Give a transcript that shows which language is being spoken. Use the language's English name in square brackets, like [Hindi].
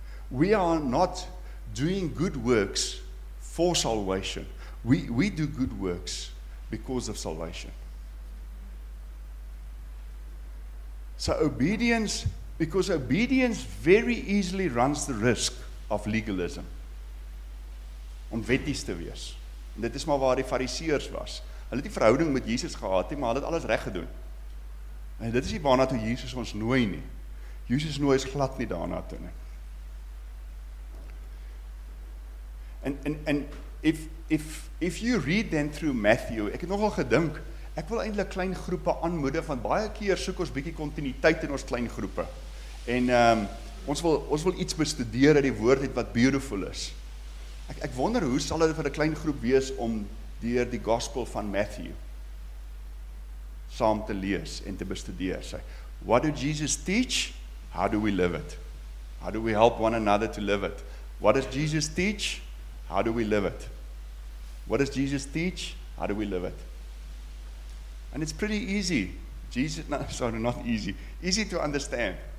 [English] We are not doing good works for salvation. We do good works because of salvation. So obedience, because obedience very easily runs the risk of legalism. [Afrikaans] Om wetties te wees. En dit is maar waar die fariseers was. Hulle het die verhouding met Jesus gehad, maar hulle het alles reg gedoen. En dit is die waarna toe Jesus ons nooi nie. Jesus nooi ons glad nie daarna toe nie. [English] And if you read then through Matthew, [Afrikaans] ek het nogal gedink, ek wil eintlik klein groepe aanmoedig, want baie keer soek ons bietjie kontinuïteit in ons klein groepe. En ons wil iets bestudeer uit die woord het wat beautiful is. Ek wonder hoe sal dit vir 'n klein groep wees om deur die gospel van Matthew saam te lees en te bestudeer. [English] Sê, what do Jesus teach? How do we live it? How do we help one another to live it? What does Jesus teach? How do we live it? What does Jesus teach? How do we live it? And it's pretty easy. Easy to understand.